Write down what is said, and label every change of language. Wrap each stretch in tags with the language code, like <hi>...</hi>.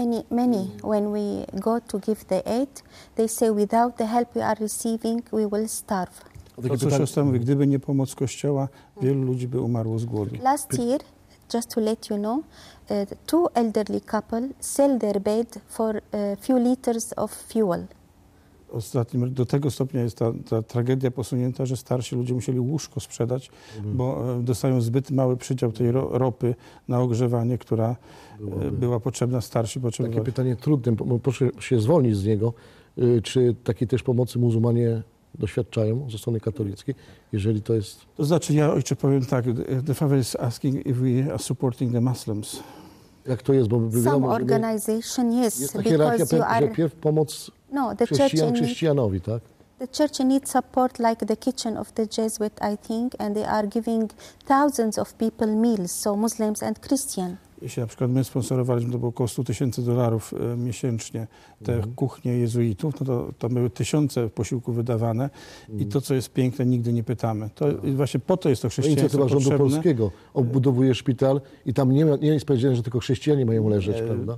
<en>Many, when we go to give the aid, they say without the help we are receiving, we will starve.</en> <pl>To, co siostra mówi, gdyby nie pomoc Kościoła, wielu ludzi by umarło z głodu.</pl> <en>Last year, just to let you know, two elderly couple sell their bed for a few liters of fuel.</en> <pl>Ostatnim, do tego stopnia jest ta tragedia posunięta, że starsi ludzie musieli łóżko sprzedać, bo dostają zbyt mały przydział tej ropy na ogrzewanie, która była potrzebna, starsi potrzebowali. Takie pytanie trudne, proszę się zwolnić z niego. Czy takiej też pomocy muzułmanie doświadczają ze strony katolickiej, jeżeli to jest... To znaczy, ja ojcze powiem tak,</pl> <en>the father is asking if we are supporting the Muslims.</en> <pl>Jak to jest, bo by było...</pl> <en>Some organization, yes, because you are...</en> <pl>Pierw pomoc chrześcijanowi, tak?</pl> <en>The church needs support like the kitchen of the Jesuit, I think, and they are giving thousands of people meals, so Muslims and Christians.</en> <pl>Jeśli na przykład my sponsorowaliśmy, to było około 100 tysięcy dolarów miesięcznie, te kuchnie jezuitów, no to były tysiące posiłków wydawane i to, co jest piękne, nigdy nie pytamy. To właśnie po to jest to chrześcijaństwo potrzebne. Rządu polskiego obbudowuje szpital i tam nie jest powiedziane, że tylko chrześcijanie mają leżeć, prawda?</pl>